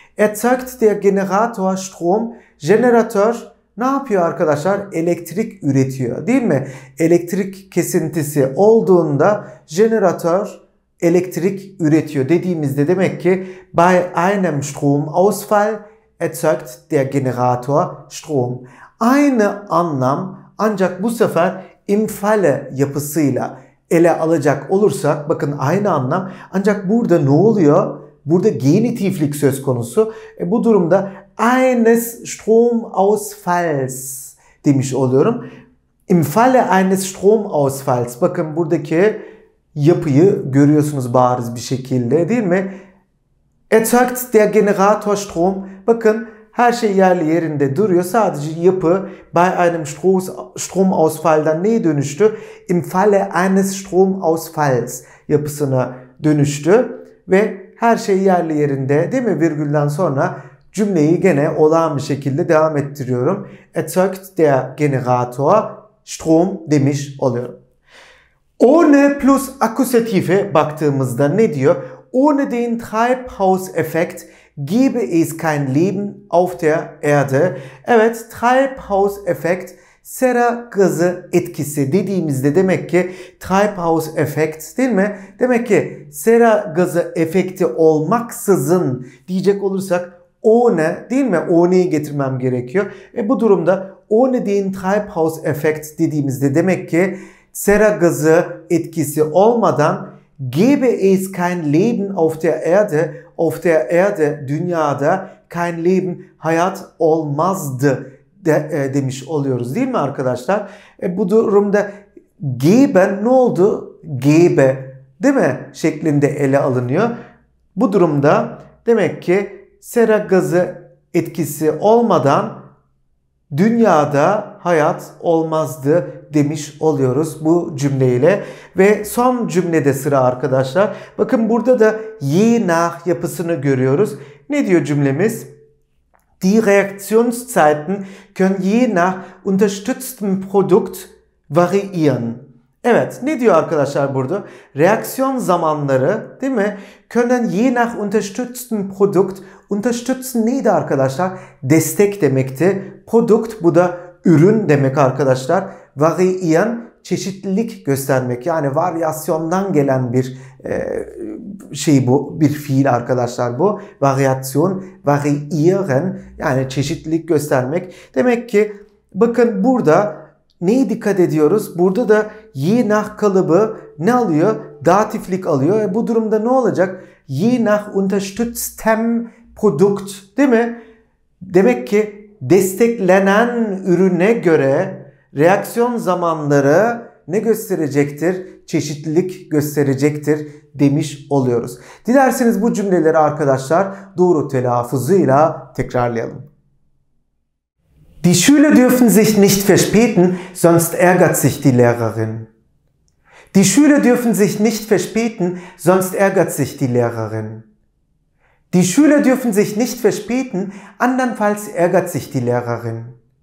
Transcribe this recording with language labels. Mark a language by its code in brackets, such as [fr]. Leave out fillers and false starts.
[de] Erzeugt der Generator Strom. [tr] Generatör ne yapıyor arkadaşlar? Elektrik üretiyor değil mi? Elektrik kesintisi olduğunda jeneratör elektrik üretiyor dediğimizde demek ki [de] bei einem Stromausfall erzeugt der Generator Strom. [tr] Aynı anlam ancak bu sefer [de] im Falle [tr] yapısıyla ele alacak olursak, bakın aynı anlam ancak burada ne oluyor? Burada genitiflik söz konusu. Bu durumda [de] eines Stromausfalls [tr] demiş oluyorum. [de] Im Falle eines Stromausfalls. [tr] Bakın buradaki yapıyı görüyorsunuz bariz bir şekilde değil mi? [de] Erzeugt der Generator Strom. [tr] Bakın her şey yerli yerinde duruyor. Sadece yapı [de] bei einem Stromausfall'dan [tr] neye dönüştü? [de] Im Falle eines Stromausfalls [tr] yapısına dönüştü. Ve her şey yerli yerinde değil mi? Virgülden sonra cümleyi gene olağan bir şekilde devam ettiriyorum. [de] Erzeugt der Generator Strom [tr] demiş oluyorum. Ohne plus Akkusative baktığımızda ne diyor? [de] Ohne den Treibhauseffekt gebe es kein Leben auf der Erde. [tr] Evet, Treibhauseffekt sera gazı etkisi dediğimizde demek ki Treibhauseffekt değil mi? Demek ki sera gazı efekti olmaksızın diyecek olursak ohne değil mi? Ohne'yi getirmem gerekiyor. Bu durumda [de] ohne den Treibhauseffekt [tr] dediğimizde demek ki sera gazı etkisi olmadan [de] gebe es kein Leben auf der Erde, [tr] auf der Erde dünyada [de] kein Leben [tr] hayat olmazdı demiş oluyoruz değil mi arkadaşlar? Bu durumda geben ne oldu? Gebe değil mi? Şeklinde ele alınıyor. Bu durumda demek ki sera gazı etkisi olmadan dünyada hayat olmazdı demiş oluyoruz bu cümleyle. Ve son cümlede sıra arkadaşlar. Bakın burada da [de] je nach [tr] yapısını görüyoruz. Ne diyor cümlemiz? [de] Die Reaktionszeiten können je nach unterstütztem Produkt variieren. [tr] Evet, ne diyor arkadaşlar burada? Reaksiyon zamanları, değil mi? [de] Können je nach unterstütztem Produkt. [tr] Unterstützen neydi arkadaşlar? Destek demekti. Produkt bu da ürün demek arkadaşlar. Variieren çeşitlilik göstermek. Yani varyasyondan gelen bir şey bu. Bir fiil arkadaşlar bu. Variation, variieren yani çeşitlilik göstermek. Demek ki bakın burada neye dikkat ediyoruz? Burada da [de] je nach [tr] kalıbı ne alıyor? Datiflik alıyor. Bu durumda ne olacak? [de] Je nach unterstütztem Produkt [tr] değil mi? Demek ki desteklenen ürüne göre reaksiyon zamanları ne gösterecektir? Çeşitlilik gösterecektir demiş oluyoruz. Dilerseniz bu cümleleri arkadaşlar doğru telaffuzuyla tekrarlayalım. [de] Die Schüler dürfen sich nicht verspäten, sonst ärgert sich die Lehrerin. Die Schüler dürfen sich nicht verspäten, sonst ärgert sich die Lehrerin. Die Schüler dürfen sich nicht verspäten, andernfalls ärgert sich die Lehrerin.